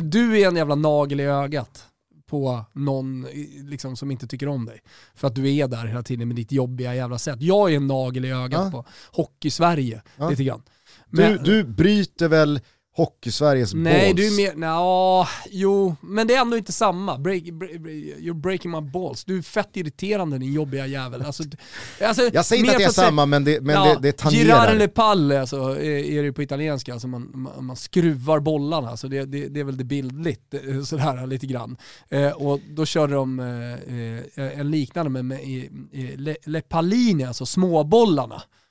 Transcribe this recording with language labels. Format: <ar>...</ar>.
<sv>Du är en jävla nagel i ögat på någon liksom som inte tycker om dig. För att du är där hela tiden med ditt jobbiga jävla sätt. Jag är en nagel i ögat på Hockey Sverige lite grann. Men, du bryter väl Hockey-Sveriges balls. Nej, du är mer... jo, men det är ändå inte samma.</sv> <en>You're breaking my balls.</en> <sv>Du är fett irriterande, din jobbiga jävel. Alltså, jag säger inte att det är samma, men det tangerar.</sv> <it>Girare le palle,</it> <sv>alltså, är det på italienska. Alltså, man skruvar bollarna. Alltså, det är väl det bildligt, sådär, lite grann. Och då körde de en liknande med</sv> <it>le palline,</it> <sv>alltså småbollarna.</sv>